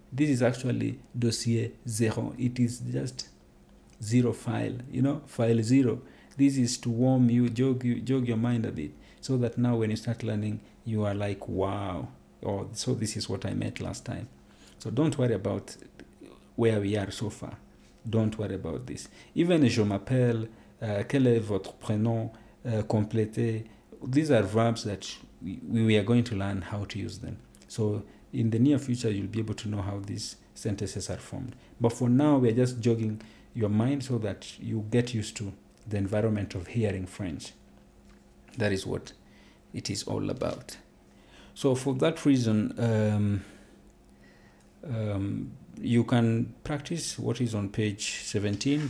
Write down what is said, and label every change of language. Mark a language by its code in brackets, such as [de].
[en] This is actually dossier zero. It is just zero file, you know, file zero. This is to warm you, jog your mind a bit, so that now when you start learning, you are like, wow. Oh, so this is what I meant last time. So don't worry about where we are so far. Don't worry about this. Even [fr] je m'appelle, quel est votre prénom, complété. [en] These are verbs that we are going to learn how to use them. So in the near future, you'll be able to know how these sentences are formed. But for now, we are just jogging your mind so that you get used to the environment of hearing French. That is what it is all about. So for that reason, you can practice what is on page 17.